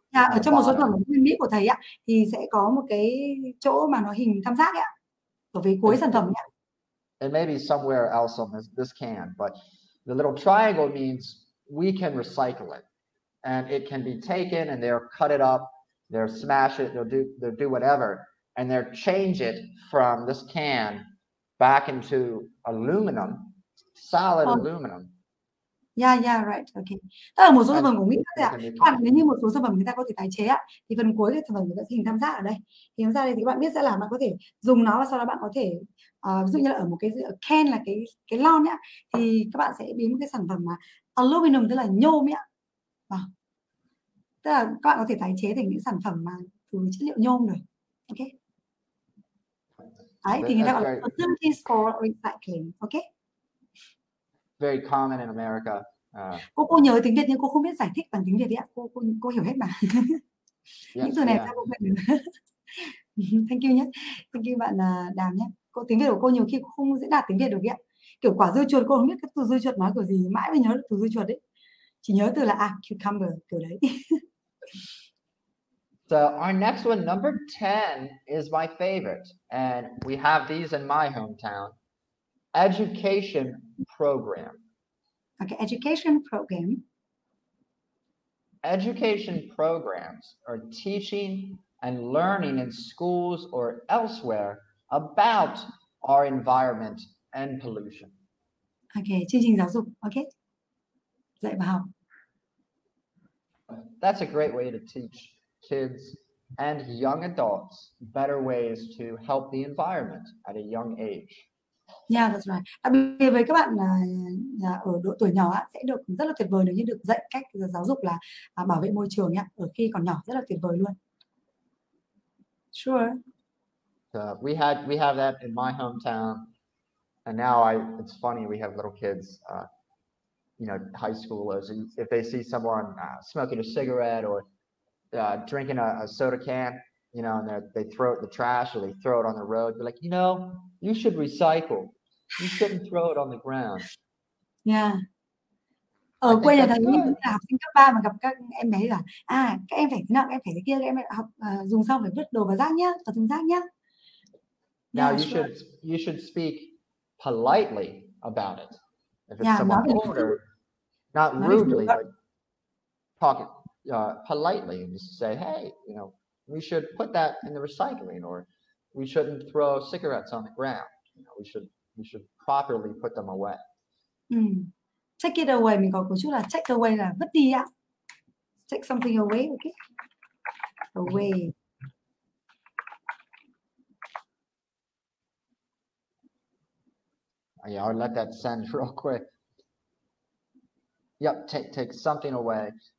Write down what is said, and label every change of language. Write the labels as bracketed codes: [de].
[vi] À, ở trong một số sản phẩm Mỹ của thầy ạ thì sẽ có một cái chỗ mà nó hình tam giác ạ ở về cuối sản phẩm ạ. [en] And maybe somewhere else on this can, but the little triangle means we can recycle it, and it can be taken, and they'll cut it up, they'll smash it, they'll do whatever, and they'll change it from this can back into aluminum, solid aluminum. Right, okay. [vi] Tức là một số sản phẩm của Mỹ các bạn, nếu như một số sản phẩm người ta có thể tái chế ạ, thì phần cuối của sản phẩm người ta hình tam giác ở đây. Thì hôm sau đây thì các bạn biết sẽ là bạn có thể dùng nó và sau đó bạn có thể ví dụ như là ở một cái can là cái lon nhá, thì các bạn sẽ biến một cái sản phẩm mà aluminum tức là nhôm ạ. Tức là các bạn có thể tái chế thành những sản phẩm mà từ chất liệu nhôm rồi. Ok. Đấy, thì người ta gọi là [en] opportunities for recycling. Ok. Very common in America. [vi] Cô nhớ tiếng Việt nhưng cô không biết giải thích bằng tiếng Việt đấy ạ. Cô hiểu hết mà. [en] Yes, [vi] những từ này sao cô biết? [en] Thank you [vi] nhé. [en] Thank you [vi] bạn Đàm nhé. Cô tiếng Việt của cô nhiều khi cô không dễ đạt tiếng Việt được ạ. Kiểu quả dưa chuột cô không biết cái từ dưa chuột nói kiểu gì, mãi mới nhớ được từ dưa chuột đấy. Chỉ nhớ từ là cucumber kiểu đấy. [en] So our next one, number 10, is my favorite, and we have these in my hometown. Education program. Okay, education program. Education programs are teaching and learning in schools or elsewhere about our environment and pollution. [vi] Okay, chương trình giáo dục. Okay, dạy vào học. [en] That's a great way to teach kids and young adults better ways to help the environment at a young age. Yeah, that's right. [vi] Đặc biệt với các bạn ở độ tuổi nhỏ sẽ được rất là tuyệt vời nếu như được dạy cách giáo dục là bảo vệ môi trường ở khi còn nhỏ, rất là tuyệt vời luôn. [en] Sure. We have that in my hometown, and now it's funny, we have little kids, high schoolers, and if they see someone smoking a cigarette or drinking a soda can, and they throw it in the trash or they throw it on the road, they're like, you should recycle. You shouldn't throw it on the ground. [vi] Yeah. Ở quê nhà thầy là học sinh cấp 3 mà gặp các em bé là các em phải thế nào, các em phải thế kia, các em học dùng xong phải vứt đồ vào rác nhá, vào thùng rác nhá. [en] Now you should speak politely about it. If it's someone older, not rudely, but talk politely and just say, hey, we should put that in the recycling, or we shouldn't throw cigarettes on the ground. We should properly put them away. Take it away. [vi] Mình có chút là take away là vứt đi ạ. [en] Take something away, okay? Away. Yeah, I'll let that send real quick. Yep, take something away.